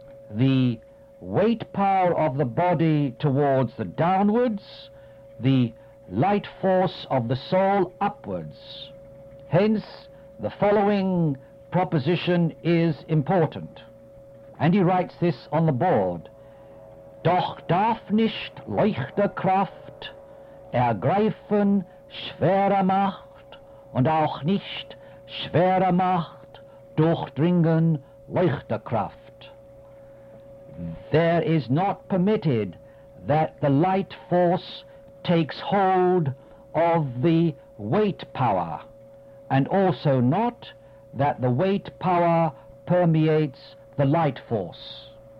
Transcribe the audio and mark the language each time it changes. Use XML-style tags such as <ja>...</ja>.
<en>The weight power of the body towards the downwards, the light force of the soul upwards. Hence, the following proposition is important. And he writes this on the board.</en> <de>Doch darf nicht Leuchterkraft ergreifen schwere Macht und auch nicht schwere Macht durchdringen Leuchterkraft.</de> <en>There is not permitted that the light force takes hold of the weight power, and also not that the weight power permeates the light force.</en>